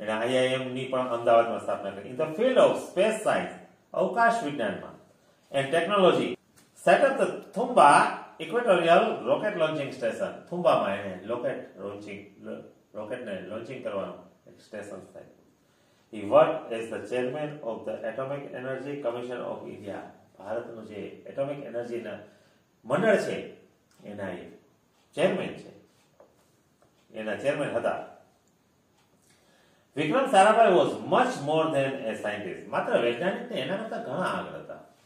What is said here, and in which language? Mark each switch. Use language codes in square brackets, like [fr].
[gu] અને આઈઆઈએમ ની પણ અમદાવાદમાં સ્થાપના કરી. [en] in the field of space science, [gu] અવકાશ વિજ્ઞાનમાં [en] And technology, set up the Thumba equatorial rocket launching station. [gu] થુમ્બામાં એને રોકેટ લોન્ચિંગ, રોકેટને લોન્ચિંગ કરવાનું સ્ટેશન થાય. [en] He worked as the chairman of the Atomic Energy Commission of India. [gu] ભારતનું જે atomic એનર્જીના મંડળ છે એના એ ચેરમેન છે, એના ચેરમેન હતા. Vikram Sarabhai [en] was much more than a scientist, [gu] માત્ર વૈજ્ઞાનિક ને એના કરતા ઘણા આગળ હતા.